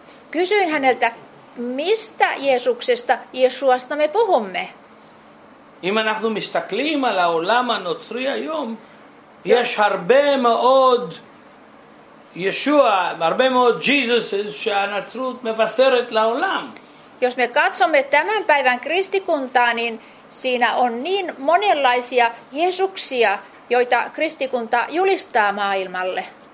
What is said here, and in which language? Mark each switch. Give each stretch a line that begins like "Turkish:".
Finnish: Kysyin häneltä, mistä Jeesuksesta, Jeshuasta me puhumme?
Hebrew: אם אנחנו מסתכלים על העולם הנוצרי היום, יש הרבה מאוד ישוע, הרבה מאוד ג'יזוס שהנצרות מבשרת לעולם.
Finnish: Jos me katsomme tämän päivän kristikuntaa, niin siinä on niin monenlaisia Jeesuksia, joita kristikunta julistaa maailmalle.